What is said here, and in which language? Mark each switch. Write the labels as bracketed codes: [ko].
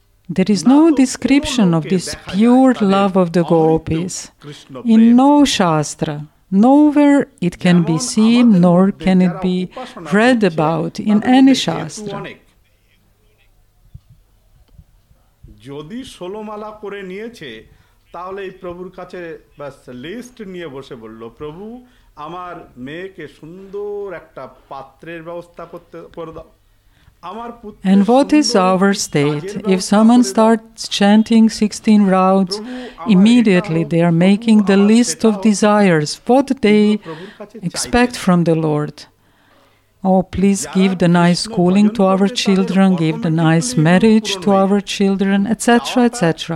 [en] There is no description of this pure love of the gopis in no shastra. Nowhere it can be seen, nor can it be read about in any shastra. [bn] যদি ষোলোমালা করে নিয়েছে তাহলে এই প্রভুর কাছে ব্যাস list নিয়ে বসে বলল, প্রভু আমার মেয়েকে সুন্দর একটা পাত্রের ব্যবস্থা করতে করে দাও। [en] And what is our state? If someone starts chanting 16 rounds, immediately they are making the list of desires, what they expect from the Lord. Oh, please give the nice schooling to our children, give the nice marriage to our children, etc., etc.